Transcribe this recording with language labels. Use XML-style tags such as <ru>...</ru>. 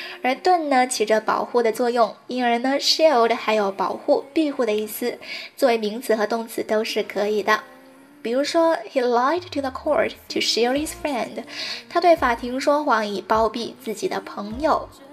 <zh>而盾呢起着保护的作用，因而呢 shield 还有保护、庇护的意思，作为名词和动词都是可以的。比如说</zh> <en>He lied to the court to shield his friend.</en> <zh>他对法庭说谎以包庇自己的朋友。</zh>